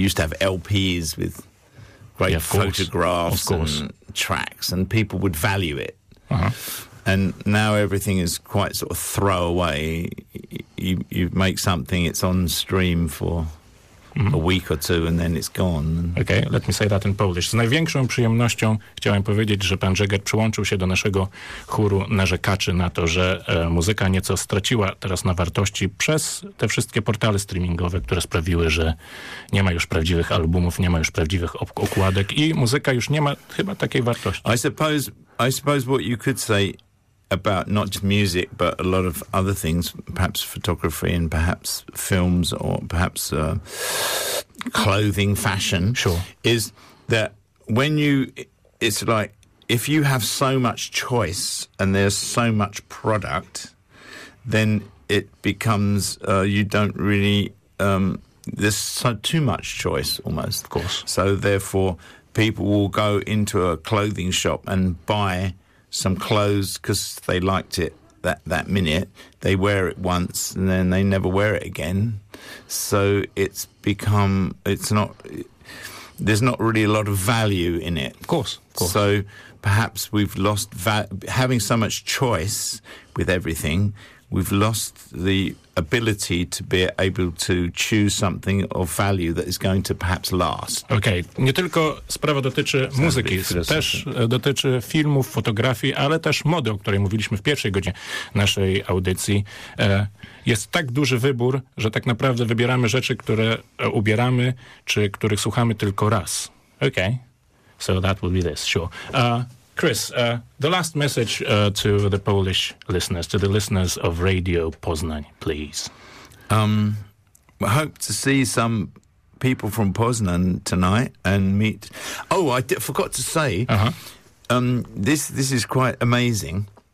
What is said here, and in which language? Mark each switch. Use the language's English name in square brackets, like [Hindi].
[English] You used to have LPs with great photographs and tracks, and people would value it. Uh-huh. And now everything is quite sort of throwaway. You make something, it's on stream for... a week or two and then it's gone. Okay, let me say that in Polish. [Polish] Z największą przyjemnością chciałem powiedzieć, że pan Jagger przyłączył się do naszego chóru narzekaczy na to, że muzyka nieco straciła teraz na wartości przez te wszystkie portale streamingowe, które sprawiły, że nie ma już prawdziwych albumów, nie ma już prawdziwych okładek i muzyka już nie ma chyba takiej wartości. [English] I suppose what you could say about not just music, but a lot of other things, perhaps photography and perhaps films or perhaps clothing, fashion. Sure. Is that when you, it's like, if you have so much choice and there's so much product, then it becomes, you don't really, there's so too much choice almost. Of course. So therefore, people will go into a clothing shop and buy some clothes because they liked it that minute. They wear it once and then they never wear it again. So it's not, there's not really a lot of value in it. Of course. So perhaps we've lost having so much choice with everything, we've lost the ability to be able to choose something of value that is going to perhaps last. Okej. Okay. [Polish] Nie tylko sprawa dotyczy muzyki, też dotyczy filmów, fotografii, ale też mody, o której mówiliśmy w pierwszej godzinie naszej audycji. Jest tak duży wybór, że tak naprawdę wybieramy rzeczy, które ubieramy, czy których słuchamy tylko raz. Okej. Okay. [English] So that will be this, sure. Chris, the last message to the Polish listeners, to the listeners of Radio Poznań, please. I hope to see some people from Poznań tonight and meet... Oh, I forgot to say, this is quite amazing.